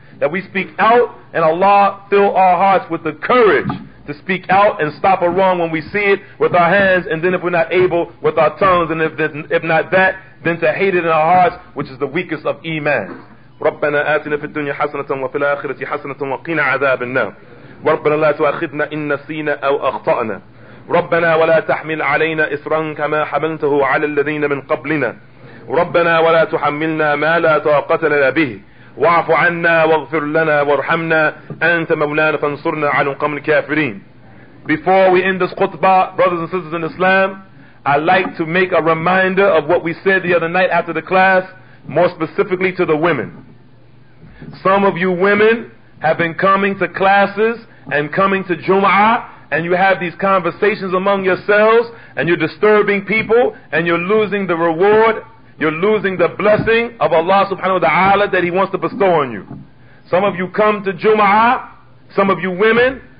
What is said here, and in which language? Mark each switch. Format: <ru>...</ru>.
<en>That we speak out, and Allah fill our hearts with the courage to speak out and stop a wrong when we see it with our hands, and then if we're not able, with our tongues, and if not that, then to hate it in our hearts, which is the weakest of imams.</en> <ar>رَبَّنَا آتِنَا فِي الدُّنْيَا حَسَنَةً وَفِي الْآخِرَةِ حَسَنَةً وَقِنَا عَذَابَ النَّارِ. ربنا لا تؤاخذنا إن نسينا أو أخطأنا. ربنا ولا تحمل علينا إصرا كما حملته على الذين من قبلنا. ربنا ولا تحملنا ما لا طاقة لنا به. واعف عنا واغفر لنا وارحمنا. أنت مولانا فانصرنا على قوم الكافرين.</ar> <en>Before we end this khutbah, brothers and sisters in Islam, I'd like to make a reminder of what we said the other night after the class, more specifically to the women. Some of you women have been coming to classes and coming to Jumu'ah, and you have these conversations among yourselves, and you're disturbing people, and you're losing the reward, you're losing the blessing of Allah subhanahu wa ta'ala that He wants to bestow on you. Some of you come to Jumu'ah, some of you women,</en>